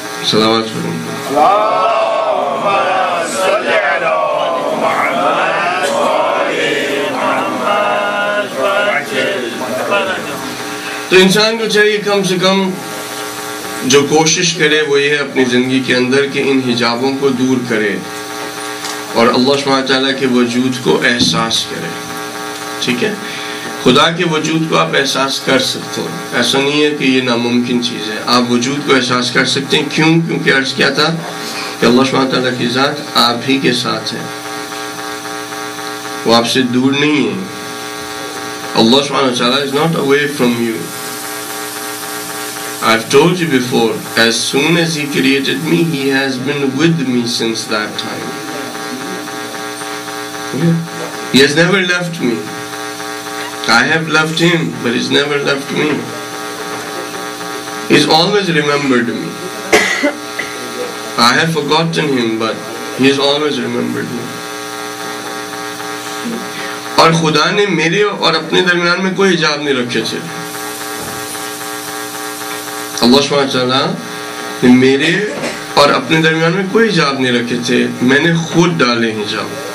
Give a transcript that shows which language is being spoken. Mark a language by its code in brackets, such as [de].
[ur] صلوات تو انسان کو چاہیے کم سے کم جو کوشش کرے وہ یہ ہے اپنی زندگی کے اندر کہ ان حجابوں کو دور کرے اور اللہ سبحانہ تعالیٰ کے وجود کو احساس کرے. ٹھیک ہے, خدا کے وجود کو آپ احساس کر سکتے ہیں. ایسا نہیں ہے کہ یہ ناممکن چیز ہے, آپ وجود کو احساس کر سکتے ہیں. کیوں؟ کیونکہ عرض کیا تھا کہ اللہ سبحانہ وتعالیٰ کی ذات آپ ہی کے ساتھ ہے, وہ آپ سے دور نہیں ہے. [en] اللہ سبحانہ وتعالیٰ is not away from you. I've told you before, as soon as he created me, he has been with me since that time. He has never left me. I have left him, but he's never left me. He's always remembered me. I have forgotten him, but he has always remembered me. [ur] اور خدا نے میرے اور اپنے درمیان میں کوئی حجاب نہیں رکھے تھے. اللہ سبحانہ وتعالیٰ نے میرے اور اپنے درمیان میں کوئی حجاب نہیں رکھے تھے, میں نے خود ڈالے حجاب.